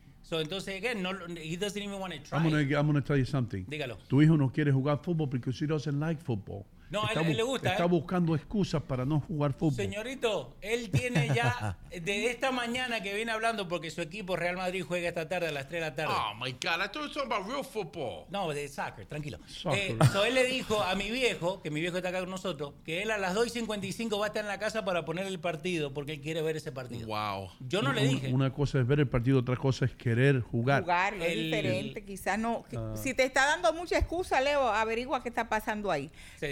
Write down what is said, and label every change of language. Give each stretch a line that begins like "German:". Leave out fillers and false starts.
English: So, entonces, again, no, he doesn't even want to try. I'm gonna tell you something.
Spanish: Dígalo. Tu hijo no quiere jugar fútbol porque
English: he doesn't like football.
Spanish: No, a él le gusta. Está buscando excusas para no jugar fútbol. Señorito, él tiene ya, de esta mañana que viene hablando, porque su equipo Real Madrid juega esta tarde a las 3 de la tarde.
English: Oh, my God, I thought you were talking about real football.
Spanish: No, de soccer, tranquilo. Soccer. So él le dijo a mi viejo, que mi viejo está acá con nosotros, que él a las 2:55 va a estar en la casa para poner el partido, porque él quiere ver ese partido.
English: Wow.
Spanish: Yo no le dije. Una cosa es ver el partido, otra cosa es querer jugar. Jugar, es diferente, quizás no. Si te está dando mucha excusa, Leo, averigua qué está pasando ahí. Sí.